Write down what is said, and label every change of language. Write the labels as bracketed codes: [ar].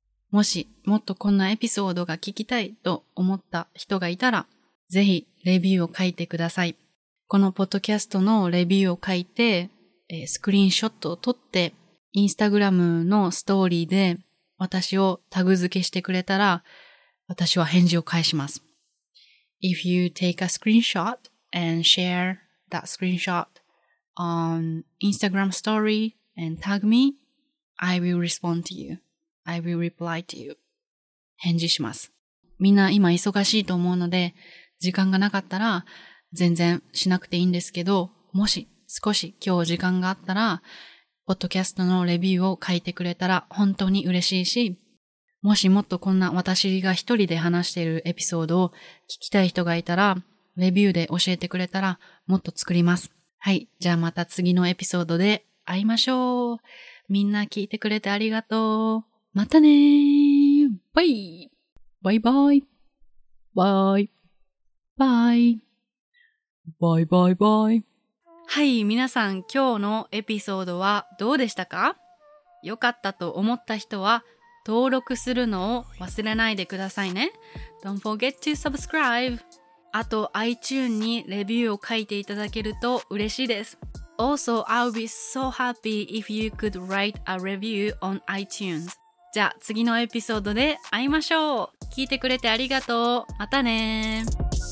[ja] もしもっとこんなエピソードが聞きたいと思った人がいたら、ぜひレビューを書いてください。このポッドキャストのレビューを書いて、スクリーンショットを撮って、インスタグラムのストーリーで私をタグ付けしてくれたら、私は返事を返します。 [en] If you take a screenshot and share that screenshot on Instagram story and tag me, I will respond to you. I will reply to you. [ja] 返事します。みんな今忙しいと思うので、時間がなかったら全然しなくていいんですけど、もし少し今日時間があったら、ポッドキャストのレビューを書いてくれたら本当に嬉しいし、もしもっとこんな私が一人で話しているエピソードを聞きたい人がいたら、レビューで教えてくれたらもっと作ります。はい、じゃあまた次のエピソードで会いましょう。みんな聞いてくれてありがとう。またねー。バイ。バイバイ。バイ。バイ。バイバイバイ。はい、皆さん今日のエピソードはどうでしたか？良かったと思った人は登録するのを忘れないでくださいね。 [en] Don't forget to subscribe. [ja] あと iTunes にレビューを書いていただけると嬉しいです。 [en] Also, I'll be so happy if you could write a review on iTunes. [ja] じゃあ次のエピソードで会いましょう。聞いてくれてありがとう。またねー。